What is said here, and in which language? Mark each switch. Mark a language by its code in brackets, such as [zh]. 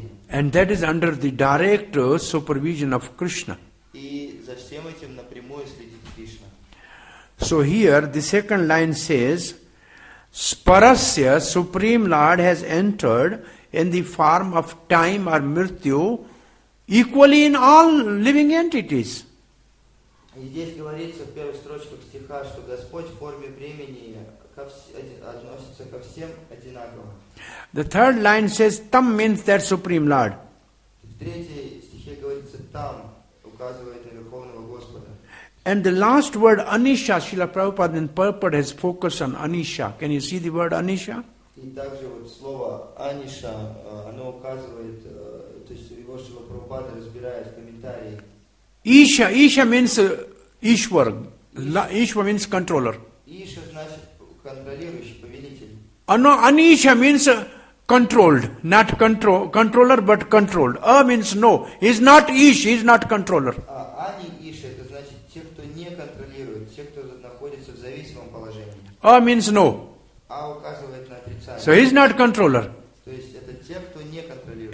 [en] And that is under the direct supervision of Krishna. [ru] И за всем этим напрямую следит Кришна. [en] So here the second line says, Sparasya, Supreme Lord, has entered in the form of time or mrityu equally in all living entities. [ru] И здесь говорится в первой строчке стиха, что Господь в форме времени относится ко всем одинаково. [en] The third line says, Tam means that Supreme Lord. [ru] В третьей стихе говорится, Tam, указывает на Верховного Господа. [en] And the last word, Anisha, Srila Prabhupada in purport has focused on Anisha. Can you see the word Anisha? [ru] И также вот слово Anisha, оно указывает, то есть его Srila Prabhupada разбирает в комментарии. [en] Isha, Isha means Ishwar. Ishwar means controller. [ru] Isha значит контролирующий, повелитель. [en] No, Anisha means controlled, not controller, but controlled. A means no, he's not Ish, he's not controller. [ru] Ani Ish, это значит те, кто не контролирует, те, кто находится в зависимом положении. [en] A means no. [ru] A указывает на отрицание. [en] So he's not controller. [ru] То есть это те, кто не контролирует.